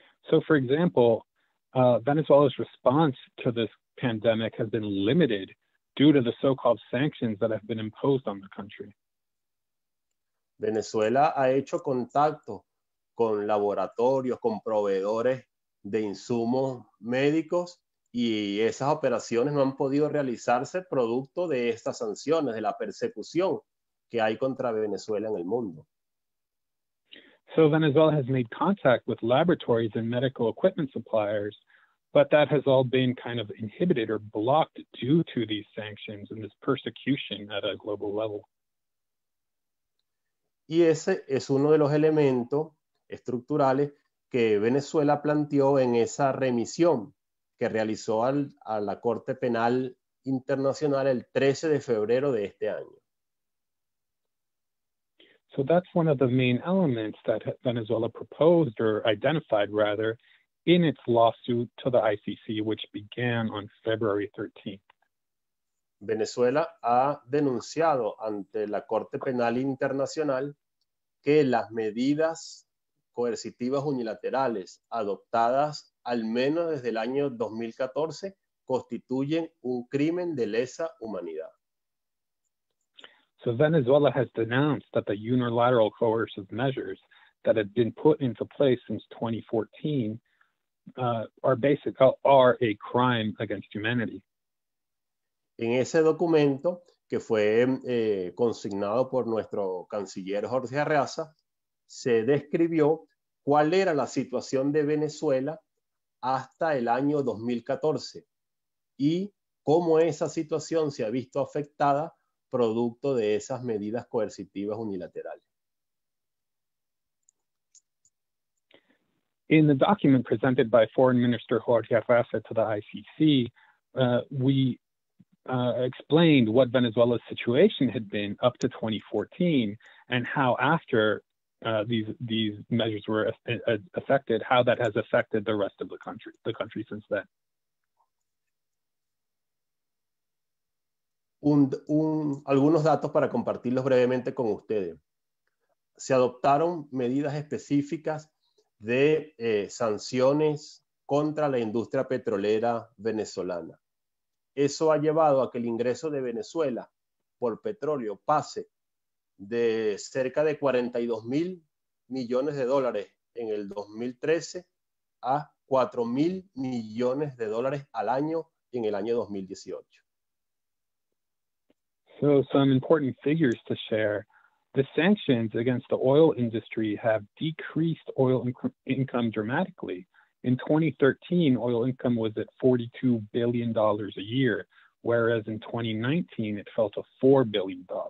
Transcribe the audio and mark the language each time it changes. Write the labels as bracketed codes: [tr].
[en] So, for example, Venezuela's response to this pandemic has been limited due to the so-called sanctions that have been imposed on the country. [es] Venezuela ha hecho contacto con laboratorios, con proveedores de insumos médicos, y esas operaciones no han podido realizarse producto de estas sanciones, de la persecución que hay contra Venezuela en el mundo. [en] So Venezuela has made contact with laboratories and medical equipment suppliers, but that has all been kind of inhibited or blocked due to these sanctions and this persecution at a global level. [es] Y ese es uno de los elementos estructurales que Venezuela planteó en esa remisión que realizó a la Corte Penal Internacional el 13 de febrero de este año. [en] So that's one of the main elements that Venezuela proposed, or identified rather, in its lawsuit to the ICC, which began on February 13th. [es] Venezuela ha denunciado ante la Corte Penal Internacional que las medidas coercitivas unilaterales adoptadas al menos desde el año 2014 constituyen un crimen de lesa humanidad. [en] So Venezuela has denounced that the unilateral coercive measures that have been put into place since 2014 are a crime against humanity. [es] En ese documento que fue consignado por nuestro canciller Jorge Arreaza, se describió cuál era la situación de Venezuela hasta el año 2014 y cómo esa situación se ha visto afectada producto de esas medidas coercitivas unilaterales. [en] In the document presented by Foreign Minister Jorge Arreaza to the ICC, we explained what Venezuela's situation had been up to 2014 and how after these measures were affected, how that has affected the rest of the country since then. [es] Algunos datos para compartirlos brevemente con ustedes. Se adoptaron medidas específicas de sanciones contra la industria petrolera venezolana. Eso ha llevado a que el ingreso de Venezuela por petróleo pase de cerca de 42 mil millones de dólares en el 2013 a 4 mil millones de dólares al año en el año 2018. [en] So some important figures to share. The sanctions against the oil industry have decreased oil income dramatically. In 2013, oil income was at $42 billion a year, whereas in 2019, it fell to $4 billion.